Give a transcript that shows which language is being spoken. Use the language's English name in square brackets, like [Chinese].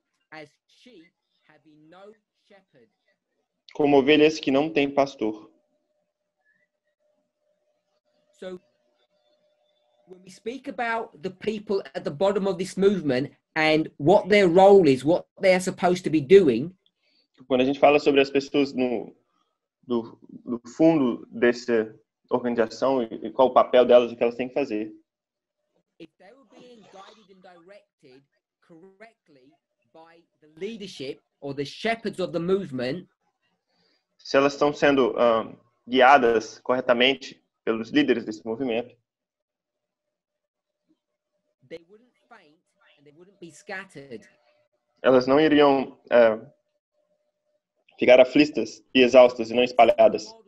[English] As sheep having no shepherd. [Portuguese] Como ovelhas que não têm pastor. [English] So when we speak about the people at the bottom of this movement and what their role is, what they are supposed to be doing. [Portuguese] Quando a gente fala sobre as pessoas no do fundo dessa organização e qual o papel delas e o que elas têm que fazer. [English] If they were being guided and directed correctly by the leadership or the shepherds of the movement. [Portuguese] Se elas estão sendo guiadas corretamente pelos líderes desse movimento. [English] They wouldn't faint and they wouldn't be scattered. [Portuguese] Elas não iriam ficar aflitas e exaustas e não espalhadas.